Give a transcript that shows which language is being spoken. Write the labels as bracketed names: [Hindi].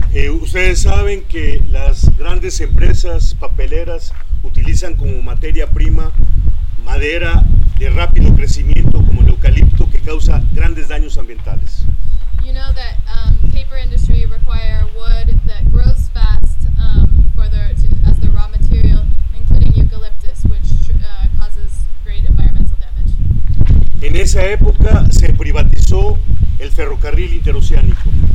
[Spanish] Ustedes saben que las grandes empresas papeleras utilizan como materia prima madera de rápido crecimiento como el eucalipto que causa grandes daños ambientales. [English] You know that paper industry require wood that grows fast as the raw material, including eucalyptus, which causes great environmental damage. [Spanish] En esa época se privatizó el ferrocarril interoceánico.